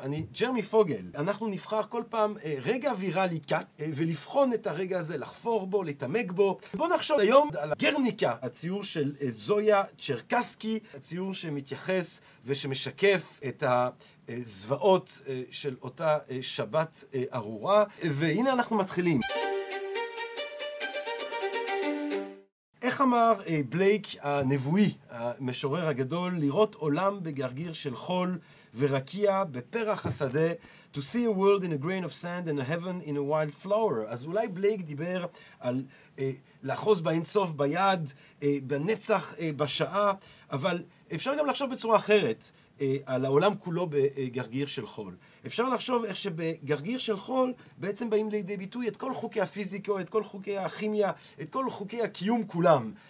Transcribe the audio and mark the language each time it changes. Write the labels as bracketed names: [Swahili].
[Hebrew] אני ג'רמי פוגל. אנחנו נבחר כל פעם רגע ויראלי קאט, ולבחון את הרגע הזה, לחפור בו, להתעמק בו. בואו נחשוב היום על הגרניקה, הציור של זויה צ'רקסקי, הציור שמתייחס ושמשקף את הזוועות של אותה שבת ארורה. והנה אנחנו מתחילים. איך אמר בלייק הנבואי, המשורר הגדול, לראות עולם בגרגיר של חול ורקיע בפרח השדה, [English] to see a world in a grain of sand and a heaven in a wild flower. [Hebrew] אז אולי בלייק דיבר על לאחוז באינסוף ביד, בנצח בשעה, אבל אפשר גם לחשוב בצורה אחרת על העולם כולו בגרגיר של חול. אפשר לחשוב איך שבגרגיר של חול בעצם באים לידי ביטוי את כל חוקי הפיזיקו, את כל חוקי הכימיה, את כל חוקי הקיום כולם.